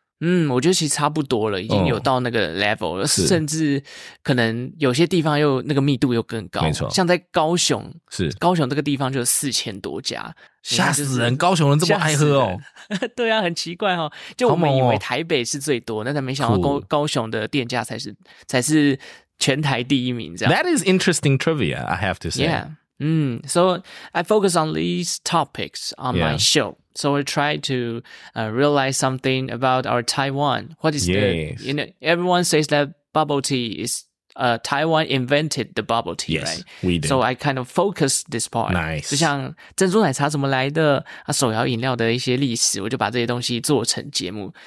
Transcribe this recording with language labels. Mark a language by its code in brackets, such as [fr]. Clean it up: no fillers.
[zh] 嗯，我觉得其实差不多了，已经有到那个 level 了、哦、甚至可能有些地方又那个密度又更高，没错，像在高雄，是高雄这个地方就有4,000多家，吓死人、就是、高雄人这么爱喝哦。对啊，很奇怪哦，就我们以为台北是最多，那才、哦、没想到 高雄的店家才是全台第一名这样。 [en] That is interesting trivia, I have to say. Yeah. So I focus on these topics on my show. So we try to realize something about our Taiwan. What is the, you know, everyone says that bubble tea is, Taiwan invented the bubble tea, yes, right? We did. So I kind of focus this part. Nice. [zh] 就像珍珠奶茶怎么来的，啊，手摇饮料的一些历史，我就把这些东西做成节目。